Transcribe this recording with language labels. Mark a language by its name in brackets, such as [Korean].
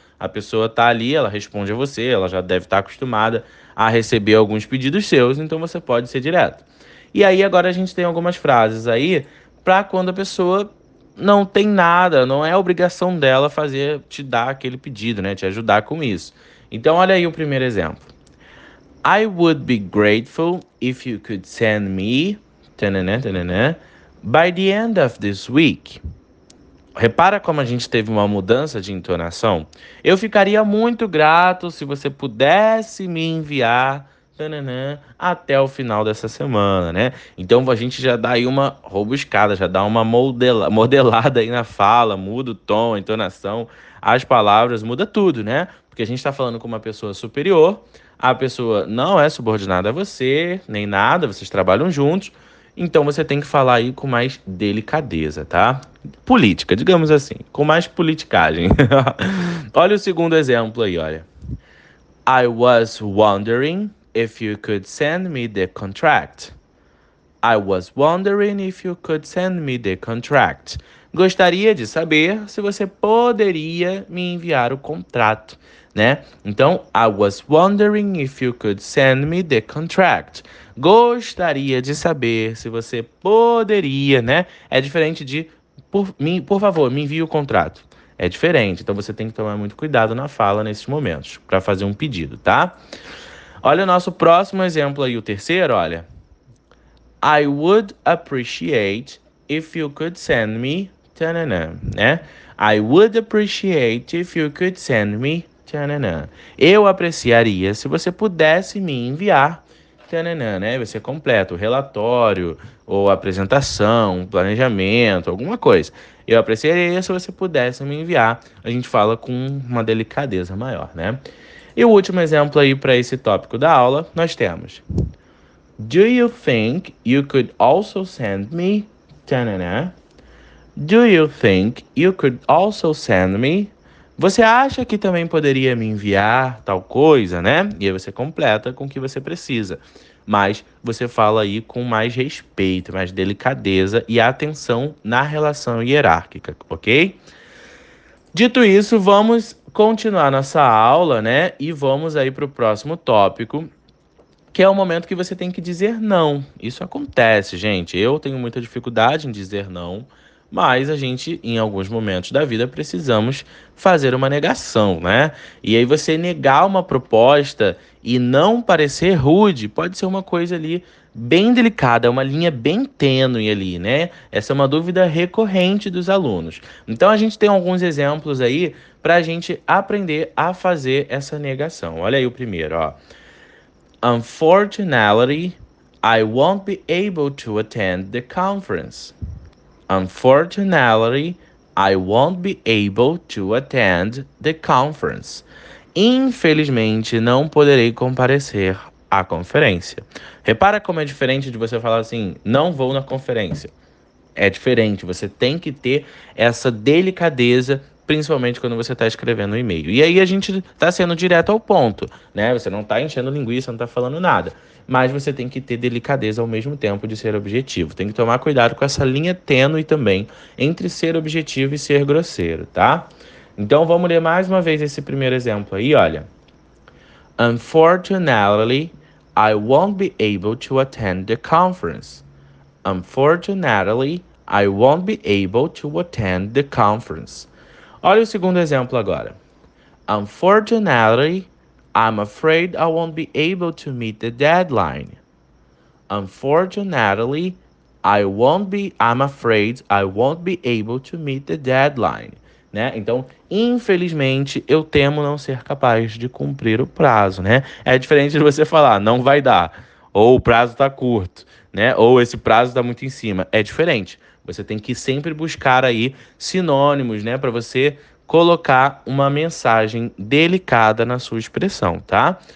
[Portuguese] A pessoa tá ali, ela responde a você, ela já deve estar acostumada a receber alguns pedidos seus, então você pode ser direto. E aí agora a gente tem algumas frases aí para quando a pessoa não tem nada, não é obrigação dela fazer te dar aquele pedido, né, te ajudar com isso. Então olha aí o primeiro exemplo. [English] I would be grateful if you could send me by the end of this week. [Portuguese] Repara como a gente teve uma mudança de entonação. Eu ficaria muito grato se você pudesse me enviar até o final dessa semana, né? Então a gente já dá aí uma rebuscada, já dá uma modelada aí na fala, muda o tom, a entonação, as palavras, muda tudo, né? Porque a gente está falando com uma pessoa superior. A pessoa não é subordinada a você, nem nada, vocês trabalham juntos, então você tem que falar aí com mais delicadeza, tá? Política, digamos assim, com mais politicagem. Olha o segundo exemplo aí, olha. [English] I was wondering if you could send me the contract. I was wondering if you could send me the contract. [Portuguese] Gostaria de saber se você poderia me enviar o contrato, né? [English] Então, I was wondering if you could send me the contract. [Portuguese] Gostaria de saber se você poderia, né? É diferente de por favor, me envie o contrato. É diferente. Então você tem que tomar muito cuidado na fala nesses momentos para fazer um pedido, tá? Olha o nosso próximo exemplo aí, o terceiro, olha. [English] I would appreciate if you could send me né? I would appreciate if you could send me tananã. [Portuguese] Eu apreciaria se você pudesse me enviar tananã, né? Você completa o relatório ou a apresentação, planejamento, alguma coisa. Eu apreciaria se você pudesse me enviar. A gente fala com uma delicadeza maior, né? E o último exemplo aí para esse tópico da aula, nós temos: [English] Do you think you could also send me [Portuguese] tananã? [English] Do you think you could also send me? [Portuguese] Você acha que também poderia me enviar tal coisa, né? E aí você completa com o que você precisa. Mas você fala aí com mais respeito, mais delicadeza e atenção na relação hierárquica, ok? Dito isso, vamos continuar nossa aula, né? E vamos aí para o próximo tópico, que é o momento que você tem que dizer não. Isso acontece, gente. Eu tenho muita dificuldade em dizer não. Mas a gente, em alguns momentos da vida, precisamos fazer uma negação, né? E aí você negar uma proposta e não parecer rude pode ser uma coisa ali bem delicada, uma linha bem tênue ali, né? Essa é uma dúvida recorrente dos alunos. Então a gente tem alguns exemplos aí para a gente aprender a fazer essa negação. Olha aí o primeiro, ó. [English] Unfortunately, I won't be able to attend the conference. Unfortunately, I won't be able to attend the conference. [Portuguese] Infelizmente, não poderei comparecer à conferência. Repara como é diferente de você falar assim, não vou na conferência. É diferente, você tem que ter essa delicadeza, principalmente quando você está escrevendo um e-mail. E aí a gente está sendo direto ao ponto, né? Você não está enchendo linguiça, não está falando nada. Mas você tem que ter delicadeza ao mesmo tempo de ser objetivo. Tem que tomar cuidado com essa linha tênue também entre ser objetivo e ser grosseiro, tá? Então vamos ler mais uma vez esse primeiro exemplo aí, olha. [English] Unfortunately, I won't be able to attend the conference. Unfortunately, I won't be able to attend the conference. [Portuguese] Olha o segundo exemplo agora. [English] Unfortunately, I'm afraid I won't be able to meet the deadline. Unfortunately, I'm afraid I won't be able to meet the deadline. [Portuguese] Né? Então, infelizmente, eu temo não ser capaz de cumprir o prazo, né? É diferente de você falar, não vai dar. Ou o prazo tá curto, né? Ou esse prazo tá muito em cima. É diferente. Você tem que sempre buscar aí sinônimos, né? Para você colocar uma mensagem delicada na sua expressão, tá?